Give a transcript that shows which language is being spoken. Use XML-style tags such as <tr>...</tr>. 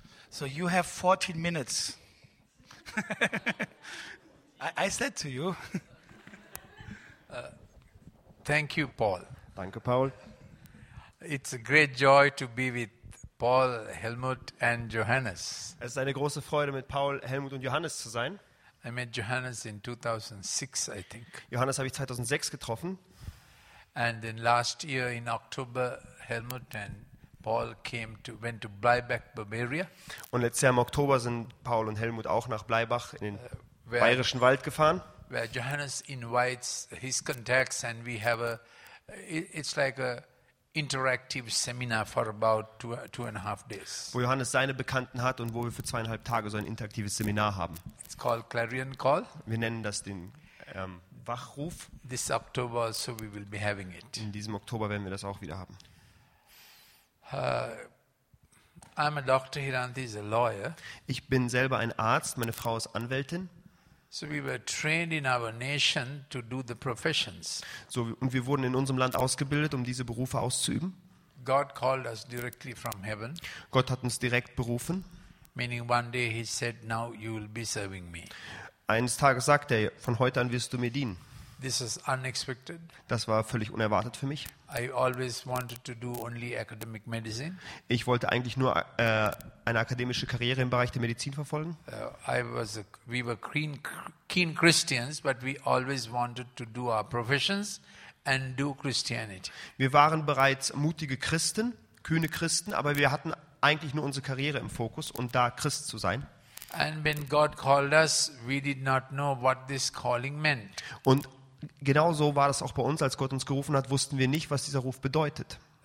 <en>So you have 14 minutes. I said to you. Thank you, Paul.</en> <de>Danke, Paul.</de> <en>It's a great joy to be with Paul, Helmut and Johannes.</en> <de>Es ist eine große Freude, mit Paul, Helmut und Johannes zu sein.</de> <en>I met Johannes in 2006, I think.</en> <de>Johannes habe ich 2006 getroffen.</de> <en>And then last year in October, Helmut and Paul went to Bleibach, Bavaria.</en> <de>Und letztes Jahr im Oktober sind Paul und Helmut auch nach Bleibach in den bayerischen Wald gefahren.</de> <en>Where Johannes invites his contacts and we have it's like a interactive seminar for about 2.5 days.</en> <de>Wo Johannes seine Bekannten hat und wo wir für 2,5 Tage so ein interaktives Seminar haben.</de> <en>It's called Clarion Call.</en> <de>Wir nennen das den Wachruf.</de> <en>This October also we will be having it.</en> <de>In diesem Oktober werden wir das auch wieder haben.</de> <en>I'm a doctor, Hiranti is a lawyer.</en> <de>Ich bin selber ein Arzt, meine Frau ist Anwältin.</de> <en>So we were trained in our nation to do the professions.</en> <de>So und wir wurden in unserem Land ausgebildet, um diese Berufe auszuüben.</de> <en>God called us directly from heaven.</en> <de>Gott hat uns direkt berufen.</de> <en>Meaning one day he said, now you will be serving me.</en> <de>Eines Tages sagte er, von heute an wirst du mir dienen.</de> <en>This is unexpected.</en> <de>Das war völlig unerwartet für mich.</de> <en>I always wanted to do only academic medicine.</en> <de>Ich wollte eigentlich nur eine akademische Karriere im Bereich der Medizin verfolgen.</de> <en>We were keen Christians, but we always wanted to do our professions and do Christianity.</en> <de>Wir waren bereits mutige Christen, kühne Christen, aber wir hatten eigentlich nur unsere Karriere im Fokus und da Christ zu sein.</de> <en>And when God called us, we did not know what this calling meant.</en> <de>Und genau so war das auch bei uns, als Gott uns gerufen hat, wussten wir nicht, was dieser Ruf bedeutet.</de>